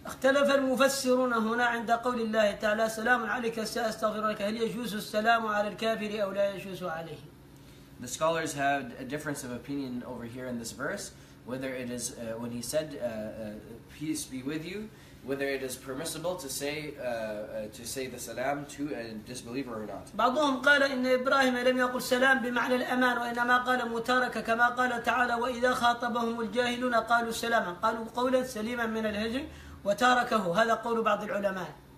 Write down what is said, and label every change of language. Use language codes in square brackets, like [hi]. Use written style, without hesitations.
[ar] اختلف المفسرون هنا عند قول الله تعالى سلام عليك سأستغفر لك هل يجوز السلام على الكافر أو لا يجوز عليه. [en] The scholars had a difference of opinion over here in this verse, whether it is when he said peace be with you, whether it is permissible to say the salam to a disbeliever or not. [ar] بعضهم قال إن إبراهيم لم يقل سلام بمعنى الأمان وإنما قال متاركة كما قال تعالى وإذا خاطبهم الجاهلون قالوا سلاما قالوا قولا سليما من الهجر وتاركه هذا قول بعض العلماء.